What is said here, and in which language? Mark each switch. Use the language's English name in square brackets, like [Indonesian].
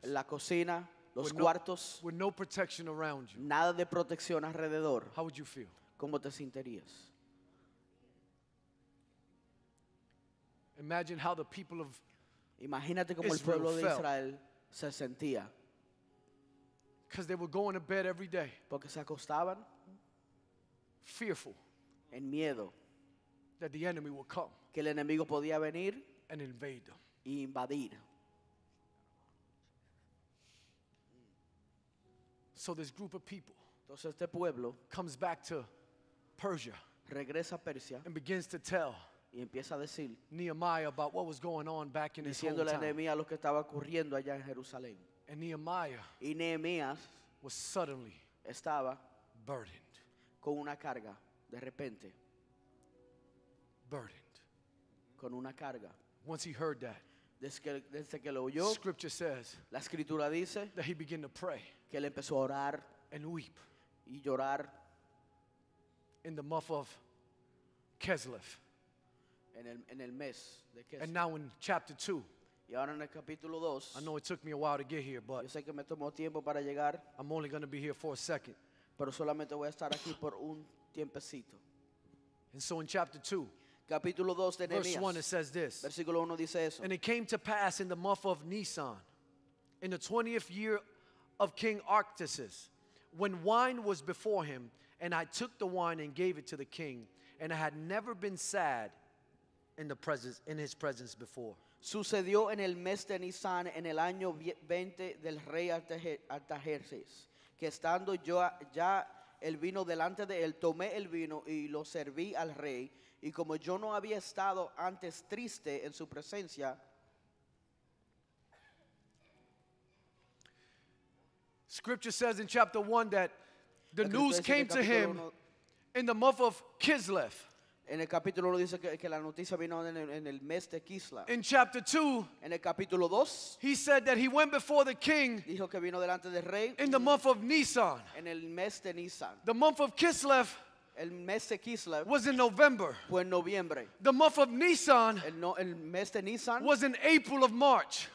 [Spanish] La cocina. Los cuartos. [English] With no protection around you. [Spanish] Nada de protección alrededor. [English] How would you feel? [Spanish] ¿Cómo te sentirías? [English] Imagine how the people of [Spanish] Imagínate cómo el pueblo de Israel se sentía. [English] Because they were going to bed every day. [Spanish] Porque se acostaban. [English] Fearful. [Spanish] En miedo. [English] That the enemy would come. [Spanish] Que el enemigo podía venir. [English] And invade them. [Spanish] Y invadir. [English] So this group of people. [Spanish] Entonces este pueblo. [English] Comes back to Persia. [Spanish] Regresa a Persia. [English] And begins to tell. [Spanish] Y empieza a decir. [English] Nehemiah about what was going on back in his hometown. [Spanish] Diciéndole a Nehemiah lo que estaba ocurriendo allá en Jerusalén. [English] And Nehemiah. [Spanish] Y Nehemías. [English] Was suddenly. [Spanish] Estaba. [English] Burdened. [Spanish] Con una carga. De repente. [English] Burdened. [Spanish] Con una carga. [English] Once he heard that. [Spanish] Desde que lo oyó. [English] Scripture says. [Spanish] La escritura dice. [English] That he began to pray. [Spanish] Que él empezó a orar. [English] And weep. [Spanish] Y llorar. [English] In the month of Kislev. [Spanish] En el mes de Kislev. [English] And now in chapter 2. [Spanish] Y ahora en el capítulo 2. [English] I know it took me a while to get here, but. [Spanish] Yo sé que me tomó tiempo para llegar. [English] I'm only going to be here for a second. [Spanish] Pero solamente voy a estar aquí por un tiempecito. [English] And so in chapter 2. [Spanish] Capítulo 2 de Nehemías. [English] Verse 1 it says this. [Spanish] Versículo 1 dice eso. [English] And it came to pass in the month of Nisan, in the 20th year of King Artaxerxes, when wine was before him, and I took the wine and gave it to the king, and I had never been sad in his presence before. [Spanish] Sucedió en el mes de Nisan, en el año 20 del rey Artaxerxes, que estando yo ya el vino delante de él, tomé el vino y lo serví al rey, y como yo no había estado antes triste en su presencia. [English] Scripture says in chapter 1 that the news came to him in the month of Kislev. [Spanish] En el capítulo 1 dice que la noticia vino en el mes de Kislev. [English] In chapter 2, [Spanish] en el capítulo 2, [English] he said that he went before the king. [Spanish] Dijo que vino delante del rey. [English] In the month of Nisan. [Spanish] En el mes de Nisan. [English] The month of Kislev. [Spanish] El mes de Kislev. [English] Was in November. [Spanish] Fue en noviembre. [English] The month of Nisan. [Spanish] El mes de Nisan. [English] Was in April of March.